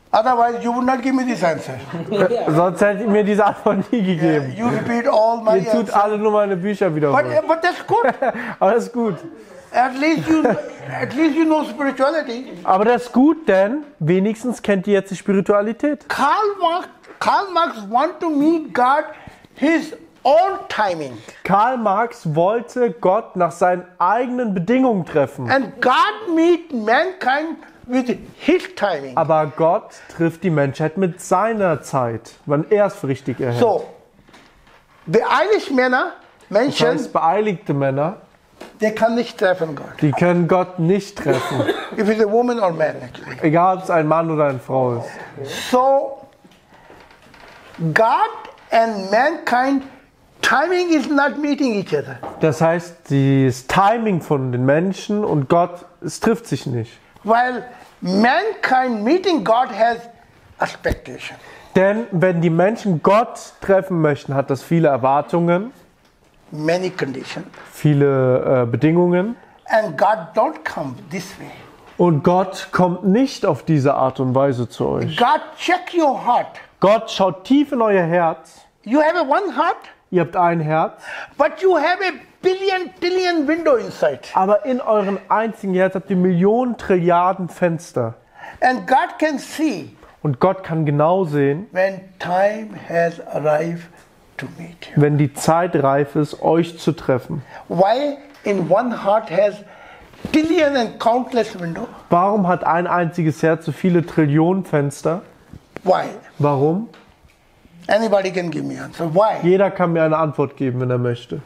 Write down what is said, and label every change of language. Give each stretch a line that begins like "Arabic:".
English: Otherwise you would not give me this answer.
German: Sonst hätte ich mir diese Antwort nie gegeben.
English: Yeah, you repeat all my answers.
German: Ihr tut alle nur meine Bücher wiederholen.
English: But that's good.
German: Aber das ist gut.
English: At least you know spirituality.
German: Aber das ist gut, denn wenigstens kennt ihr jetzt die Spiritualität.
English: Karl Marx want to meet God his own timing.
German: Karl Marx wollte Gott nach seinen eigenen Bedingungen treffen.
English: And God meet mankind with his timing.
German: Aber Gott trifft die Menschheit mit seiner Zeit, wann er es für richtig erhält. So, beeilig Männer, Menschen, das heißt, beeilte Männer, der kann nicht treffen Gott. Die können Gott nicht treffen.
English: If it's a woman or man, actually.
German: Egal, ob es ein Mann oder eine Frau ist.
English: So, God and mankind, timing is not meeting each other.
German: Das heißt, das Timing von den Menschen und Gott, es trifft sich nicht. Weil
English: mankind meeting God has expectation.
German: Denn wenn die Menschen Gott treffen möchten, hat das viele Erwartungen.
English: Many conditions.
German: Viele Bedingungen.
English: And God don't come this way.
German: Und Gott kommt nicht auf diese Art und Weise zu euch.
English: God check your heart.
German: Gott schaut tief in euer Herz.
English: You have one heart.
German: Ihr habt ein Herz.
English: But you have a billion, billion window inside.
German: Aber in eurem einzigen Herz habt ihr Millionen, Trilliarden Fenster.
English: And God can see.
German: Und Gott kann genau sehen.
English: When time has arrived to meet you.
German: Wenn die Zeit reif ist, euch zu treffen.
English: Why in one heart has billion and countless window?
German: Warum hat ein einziges Herz so viele Trillionen Fenster?
English: Why?
German: Warum?
English: Anybody can give me answer. Why?
German: Jeder kann mir eine Antwort geben, wenn er möchte.